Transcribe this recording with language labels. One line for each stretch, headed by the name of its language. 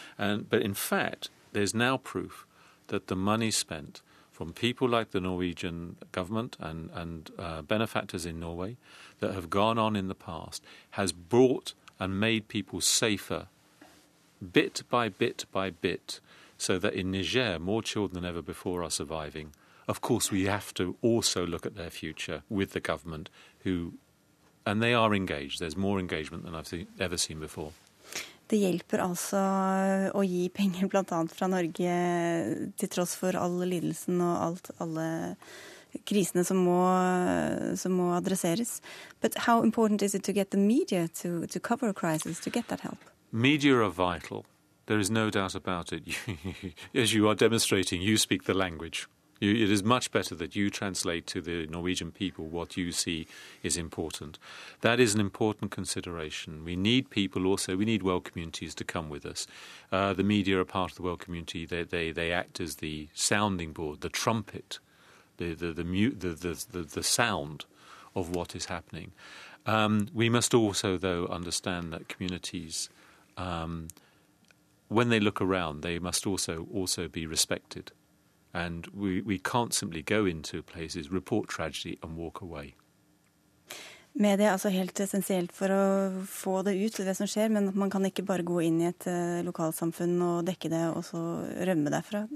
English: But in fact, there's now proof that the money spent from people like the Norwegian government and benefactors in Norway that have gone on in the past has brought and made people safer bit by bit by bit, so that in Niger, more children than ever before are surviving. Of course, we have to also look at their future with the government, who, and they are engaged. There's more engagement than I've ever seen before.
Norwegian: Det hjelper altså å gi penger, blant annet fra Norge, til tross for all lidelsen og alle krisene som må adresseres.
English: But how important is it to get the media to cover a crisis, to get that help? Media are vital. There is no doubt about it. As you are demonstrating, you speak the language. It is much better that you translate to the Norwegian people what you see is important. That is an important consideration. We need people also, we need world communities to come with us. The media are part of the world community. They act as the sounding board, the trumpet, the sound of what is happening. We must also, though, understand that communities... when they look around, they must also be respected. And we can't simply go into places, report tragedy and walk away.
Norwegian: Media er altså helt essensielt for å få det ut, det som skjer, men man kan ikke bare gå inn i et lokalsamfunn og dekke det og så rømme derfra.